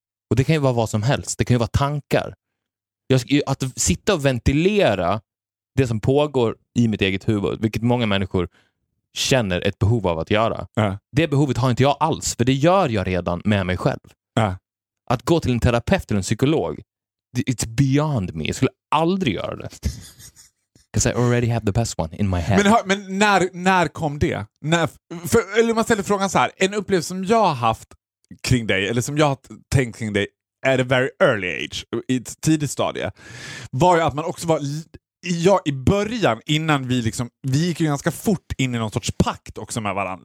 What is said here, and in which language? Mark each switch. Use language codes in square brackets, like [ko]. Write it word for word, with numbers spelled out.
[sv] Och det kan ju vara vad som helst. Det kan ju vara tankar. Jag, sk- att sitta och ventilera det som pågår i mitt eget huvud, vilket många människor känner ett behov av att göra. Ja. Det behovet har inte jag alls, för det gör jag redan med mig själv. Ja. Att gå till en terapeut eller en psykolog, det- it's beyond me. Jag skulle aldrig göra det. [en] Because I already have the best one in my head. [sv] Men, hör- men när, när kom det? När, för, eller om man ställer frågan så här. En upplevelse som jag har haft kring dig, eller som jag har t- tänkt kring dig at a very early age, i ett tidigt stadie, var ju att man också var... li- Ja, i början, innan vi liksom... Vi gick ju ganska fort in i någon sorts pakt också med varandra.